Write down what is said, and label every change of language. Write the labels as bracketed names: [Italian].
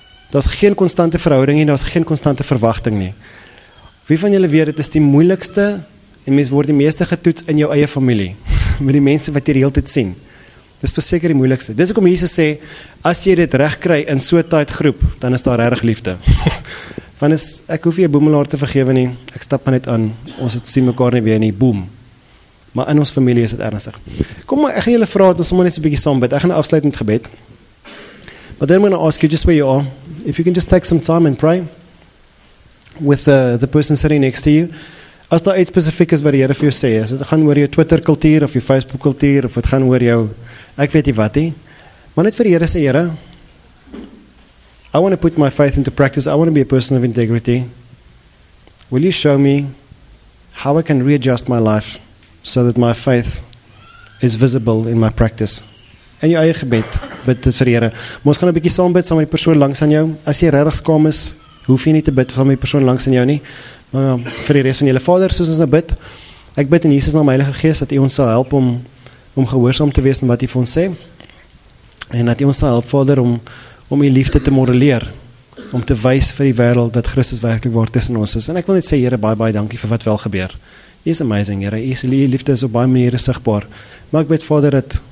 [Afrikaans] Daar is geen constante verhouding en daar is geen constante verwachting nie. Wie van julle weet, dit is die moeilikste en mens word die meeste getoets in jou eie familie, met die mense wat jy die hele tyd sien. Dit is verseker die moeilikste. Dit is ook om Jesus sê, as jy dit recht kry in so tight groep, dan is daar erg liefde. Van is, ek hoef jy boemelaar te vergewe nie, ek stap maar net aan, ons het sien mekaar nie weer nie, boem. Maar in ons familie is dit ernstig. Kom maar, ek gaan julle vraag, ons moet net so'n bietjie saam bid. Ek gaan afsluit met gebed. [English] But then I'm going to ask you just where you are, if you can just take some time and pray with the person sitting next to you. [Afrikaans] As daar iets spesifiek is wat die Here vir jou sê, is dit gaan oor jou Twitter kultuur of jou Facebook kultuur of het gaan oor jou, ek weet nie wat nie. Maar net vir die Here sê, Here, [English] I want to put my faith into practice. I want to be a person of integrity. Will you show me how I can readjust my life so that my faith is visible in my practice? [Afrikaans] En jou eie gebed, bid dit vir die Here. Maar ons gaan een bietjie saam bid, saam met die persoon langs aan jou. As jy regtig skaam is, hoef jy nie te bid, saam met die persoon langs aan jou nie. Maar vir die rest van julle Vader, soos ons nou bid, ek bid in Jesus naam Heilige Gees, dat jy ons sal help om gehoorsaam te wees in wat jy vir ons sê. En dat jy ons sal help, Vader, om jy liefde te modelleer. Om te wys vir die wêreld dat Christus werklik waar tussen ons is. En ek wil net sê, Here, baie, baie dankie vir wat wel gebeur. Jy is amazing, Here. Jy liefde is op baie maniere sigtbaar. Maar ek bid, Vader, dat